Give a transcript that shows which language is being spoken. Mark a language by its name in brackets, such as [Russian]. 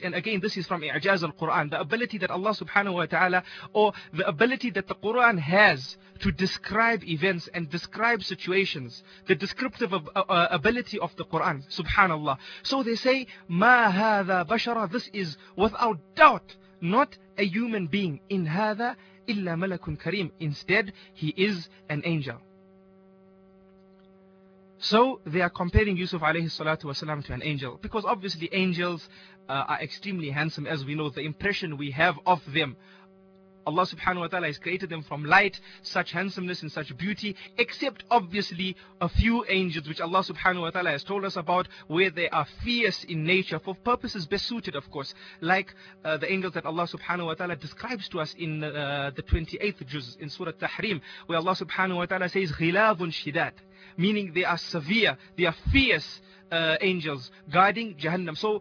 [English] And again, this is from I'jaz al-Quran, the ability that Allah subhanahu wa ta'ala, or the ability that the Quran has to describe events and describe situations. The descriptive ability of the Quran, subhanallah. So they say, [Arabic] ما هذا بشرا, [English] this is without doubt not a human being. [Arabic] In هذا إلا ملك كريم. [English] Instead, he is an angel. So they are comparing Yusuf alayhi salatu wasalam to an angel, because obviously angels are extremely handsome, as we know the impression we have of them. Allah subhanahu wa ta'ala has created them from light, such handsomeness and such beauty, except obviously a few angels which Allah subhanahu wa ta'ala has told us about, where they are fierce in nature for purposes best suited, of course, like the angels that Allah subhanahu wa ta'ala describes to us in the 28th juz in Surah Tahrim, where Allah subhanahu wa ta'ala says ghilavun shidad, meaning they are severe, they are fierce angels guarding Jahannam.